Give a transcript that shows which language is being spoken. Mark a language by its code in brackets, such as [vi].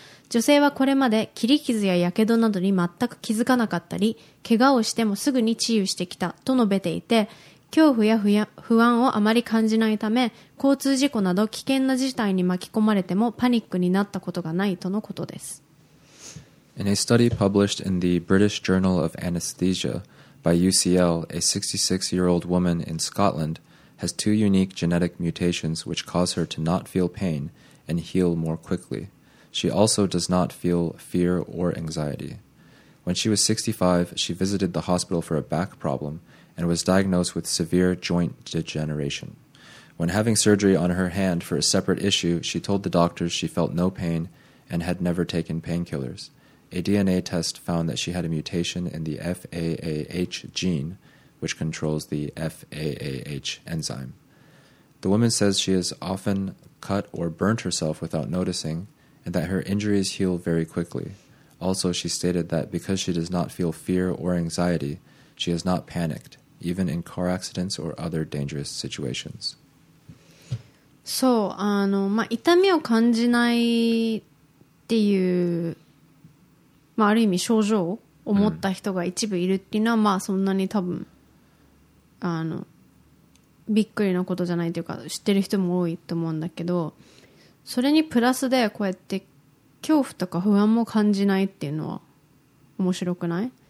[ja] 女性はこれまで切り傷や火傷などに全く気づかなかったり、怪我をしてもすぐに治癒してきたと述べていて、恐怖や不安をあまり感じないため、交通事故など危険な事態に巻き込まれてもパニックになったことがないとのことです。 [en] In a study published in the British Journal of Anesthesia by UCL, a 66-year-old woman in Scotland has two unique genetic mutations which cause her to not feel pain and heal more quickly. She also does not feel fear or anxiety. When she was 65, she visited the hospital for a back problem and was diagnosed with severe joint degeneration. When having surgery on her hand for a separate issue, she told the doctors she felt no pain and had never taken painkillers. A DNA test found that she had a mutation in the FAAH gene, which controls the FAAH enzyme. The woman says she has often cut or burnt herself without noticing, and that her injuries heal very quickly. Also, she stated that because she does not feel fear or anxiety, she has not panicked. Even in car accidents or other dangerous situations. [ja] そう、まあ、痛みを感じないっていう、まあ、ある意味症状を持った人が一部いるっていうのは、うん、まあそんなに多分びっくりなことじゃないというか、知ってる人も多いと思うんだけど、それにプラスでこうやって恐怖とか不安も感じないっていうのは面白くない？